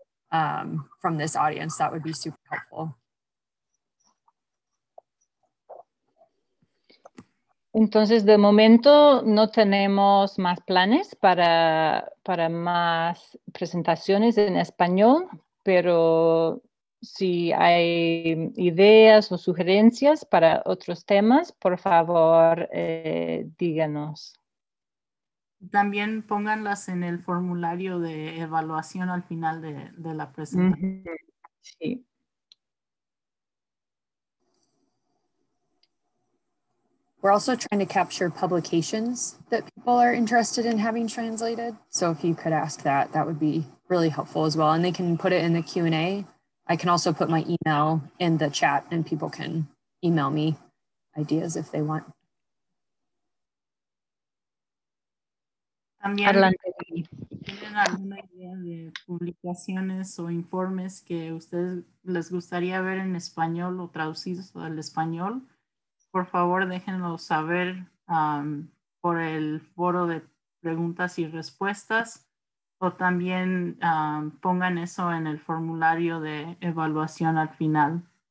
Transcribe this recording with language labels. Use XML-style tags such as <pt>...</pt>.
<en>from this audience, that would be super helpful.</en> <es>Entonces, de momento no tenemos más planes para más presentaciones en español, pero si hay ideas o sugerencias para otros temas, por favor, díganos. También pónganlas en el formulario de evaluación al final de la presentación. Mm-hmm. Sí.</es> <en>We're also trying to capture publications that people are interested in having translated. So if you could ask that, that would be really helpful as well. And they can put it in the Q&A. I can also put my email in the chat and people can email me ideas if they want.</en> <es>También tienen alguna idea de publicaciones o informes que ustedes les gustaría ver en español o traducidos al español. Por favor, déjenlo saber por el foro de preguntas y respuestas o también pongan eso en el formulario de evaluación al final.</es>